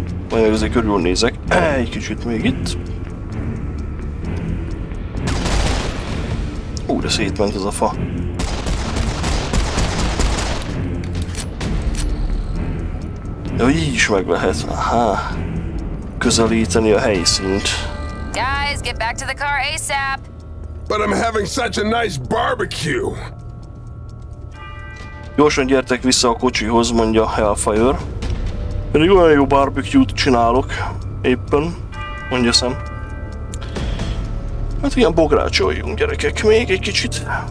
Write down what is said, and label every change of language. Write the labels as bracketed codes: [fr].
[hu] Majd meg azért körül nézek. Egy kicsit még itt. De szétment ez a fa. Ja, így is meg lehet. Közelíteni a helyszínt. [en] Guys, get back to the car ASAP! But I'm having such a nice barbecue! [hu] Gyorsan gyertek vissza a kocsihoz, mondja Hellfire. Pedig olyan jó barbecue-t csinálok, éppen, mondja Sam. Hát ilyen bográcsoljunk, gyerekek, még egy kicsit.